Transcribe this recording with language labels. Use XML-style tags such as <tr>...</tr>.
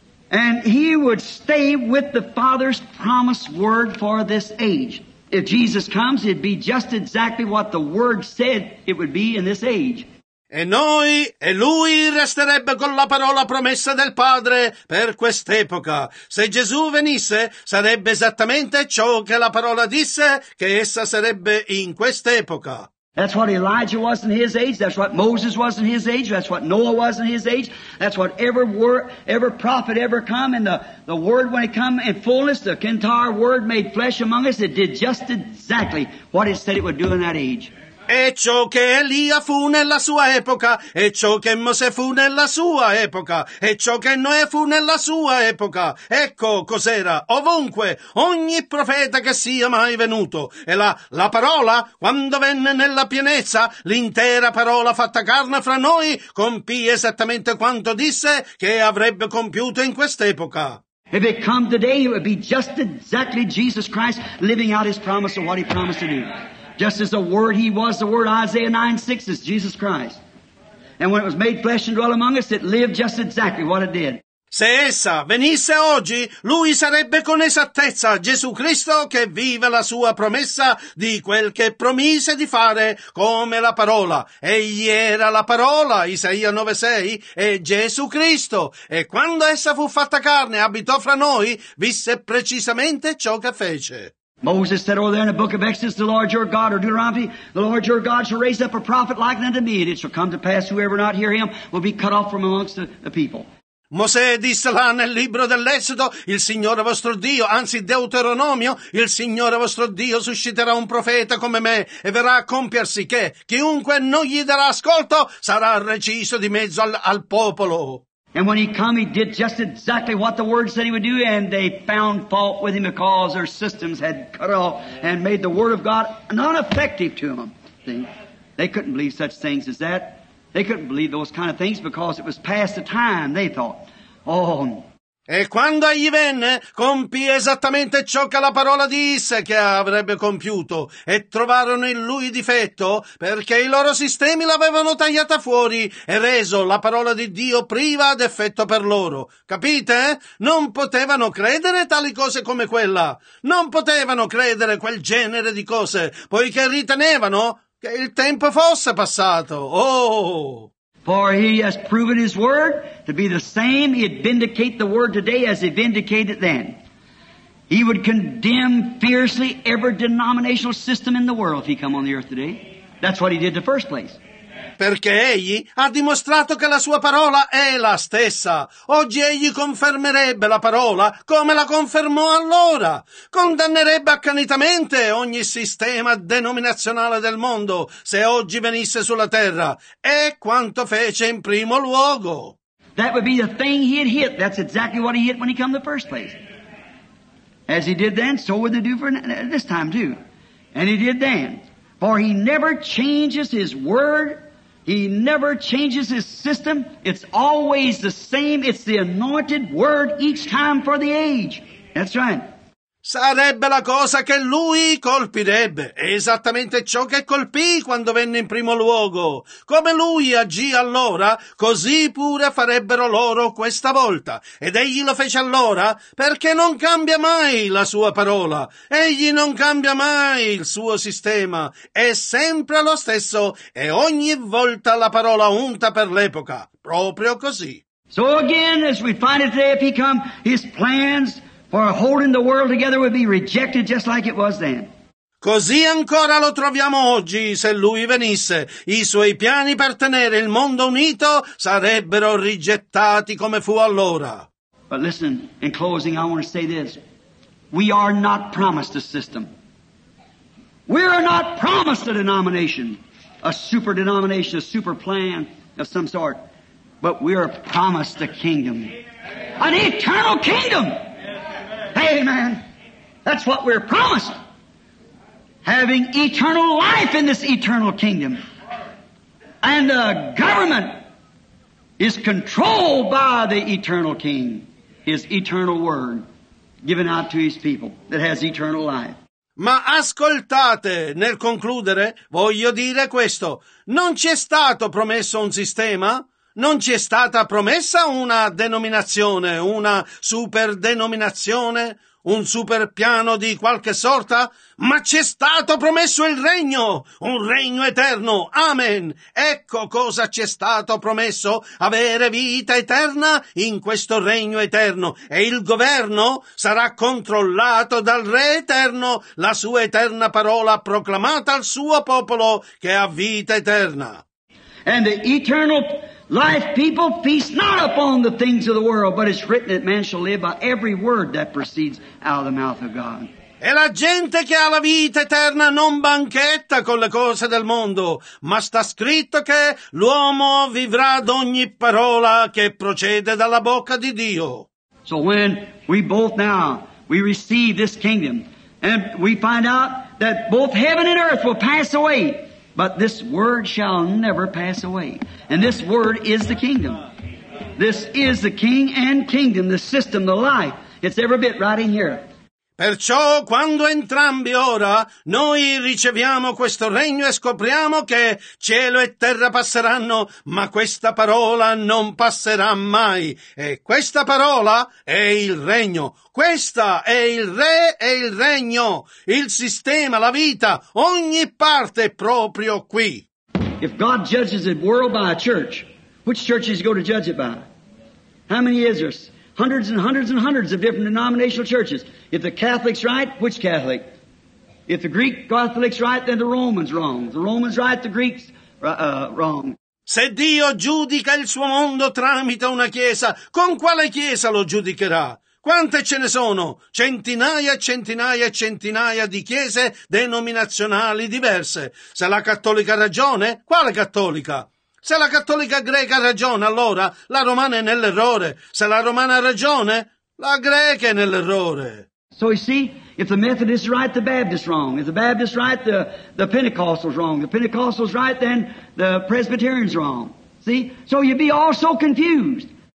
<en>And he would stay with the Father's promised word for this age. If Jesus comes, it'd be just exactly what the Word said it would be in this age.</en> <it>E noi, e lui resterebbe con la parola promessa del Padre per quest'epoca. Se Gesù venisse, sarebbe esattamente ciò che la parola disse che essa sarebbe in quest'epoca.</it> <en>That's what Elijah was in his age. That's what Moses was in his age. That's what Noah was in his age. That's what every prophet ever come. And the word when it come in fullness, the Kentar word made flesh among us, it did just exactly what it said it would do in that age.</en> <it>E ciò che Elia fu nella sua epoca, e ciò che Mosè fu nella sua epoca, e ciò che Noè fu nella sua epoca. Ecco cos'era ovunque, ogni profeta che sia mai venuto. E la parola, quando venne nella pienezza, l'intera parola fatta carne fra noi, compì esattamente quanto disse che avrebbe compiuto in quest'epoca.</it> <en>If it come today, it would be just exactly Jesus Christ living out his promise of what he promised to do. Just as the Word, He was the Word, Isaiah 9:6 is Jesus Christ. And when it was made flesh and dwelt among us, it lived just exactly what it did.</en> <it>Se essa venisse oggi, lui sarebbe con esattezza Gesù Cristo che vive la sua promessa di quel che promise di fare come la parola. Egli era la parola, Isaia 9:6, e Gesù Cristo. E quando essa fu fatta carne e abitò fra noi, visse precisamente ciò che fece.</it> <en>Moses said over there in the book of Exodus, the Lord your God, or Deuteronomy, the Lord your God shall raise up a prophet like unto me, and it shall come to pass, whoever not hear him will be cut off from amongst the people.</en> <it>Mosè disse là nel libro dell'Esodo, il Signore vostro Dio, anzi Deuteronomio, il Signore vostro Dio susciterà un profeta come me, e verrà a compiersi che chiunque non gli darà ascolto sarà reciso di mezzo al popolo.</it> <en>And when he came, he did just exactly what the Word said he would do, and they found fault with him because their systems had cut off and made the Word of God non-effective to them. See? They couldn't believe such things as that. They couldn't believe those kind of things because it was past the time, they thought. Oh, no.</en> <it>E quando egli venne, compì esattamente ciò che la parola disse che avrebbe compiuto, e trovarono in lui difetto, perché i loro sistemi l'avevano tagliata fuori e reso la parola di Dio priva d'effetto per loro. Capite? Non potevano credere tali cose come quella. Non potevano credere quel genere di cose, poiché ritenevano che il tempo fosse passato. Oh!</it> <en>For he has proven his word to be the same. He'd vindicate the word today as he vindicated then. He would condemn fiercely every denominational system in the world if he come on the earth today. That's what he did in the first place.</en> <it>Perché egli ha dimostrato che la sua parola è la stessa. Oggi egli confermerebbe la parola come la confermò allora. Condannerebbe accanitamente ogni sistema denominazionale del mondo se oggi venisse sulla terra. È quanto fece in primo luogo.</it> <en>That would be the thing he'd hit. That's exactly what he hit when he come the first place. As he did then, so would they do for this time too. And he did then. For he never changes his word He never changes his system. It's always the same. It's the anointed word each time for the age. That's right.</en> <it>Sarebbe la cosa che lui colpirebbe. È esattamente ciò che colpì quando venne in primo luogo. Come lui agì allora, così pure farebbero loro questa volta. Ed egli lo fece allora, perché non cambia mai la sua parola. Egli non cambia mai il suo sistema. È sempre lo stesso e ogni volta la parola unta per l'epoca. Proprio così.</it> <en>So again, as we find it today, if he come, his plans for holding the world together would be rejected just like it was then.</en> <it>Così ancora lo troviamo oggi, se lui venisse. I suoi piani per tenere il mondo unito sarebbero rigettati come fu allora.</it> <en>But listen, in closing I want to say this. We are not promised a system. We are not promised a denomination, a super denomination, a super plan of some sort. But we are promised a kingdom. An eternal kingdom! Amen. That's what we're promised. Having eternal life in this eternal kingdom. And the government is controlled by the eternal king, his eternal word given out to his people that has eternal life.</en> <it>Ma ascoltate, nel concludere, voglio dire questo. Non ci è stato promesso un sistema. Non ci è stata promessa una denominazione, una superdenominazione, un superpiano di qualche sorta, ma ci è stato promesso il regno, un regno eterno. Amen. Ecco cosa ci è stato promesso, avere vita eterna in questo regno eterno. E il governo sarà controllato dal Re eterno, la sua eterna parola proclamata al suo popolo che ha vita eterna.</it> <en>And the eternal life, people, feast not upon the things of the world, but it's written that man shall live by every word that proceeds out of the mouth of God.</en> <it>E la gente che ha la vita eterna non banchetta con le cose del mondo, ma sta scritto che l'uomo vivrà d'ogni parola che procede dalla bocca di Dio.</it> <en>So when we both now, we receive this kingdom, and we find out that both heaven and earth will pass away, but this word shall never pass away. And this word is the kingdom. This is the king and kingdom, the system, the life. It's every bit right in here.</en> <it>Perciò, quando entrambi ora, noi riceviamo questo regno e scopriamo che cielo e terra passeranno, ma questa parola non passerà mai. E questa parola è il regno. Questa è il re e il regno. Il sistema, la vita, ogni parte proprio qui.</it> <en>If God judges the world by a church, which church is he going to judge it by? How many is there? Hundreds and hundreds and hundreds of different denominational churches. If the Catholic's right, which Catholic? If the Greek Catholic's right, then the Roman's wrong. If the Roman's right, the Greek's wrong.</en> <it>Se Dio giudica il suo mondo tramite una chiesa, con quale chiesa lo giudicherà? Quante ce ne sono? Centinaia e centinaia e centinaia di chiese denominazionali diverse. Se la cattolica ha ragione, quale cattolica? Se la cattolica greca ha ragione, allora la romana è nell'errore. Se la romana ha ragione, la greca è nell'errore.</it> <en>So you see, if the Methodist is right, the Baptist is wrong. If the Baptist is right, the Pentecostal is wrong. If the Pentecostal is right, then the Presbyterian is wrong. See? So you'd be all so confused.</en>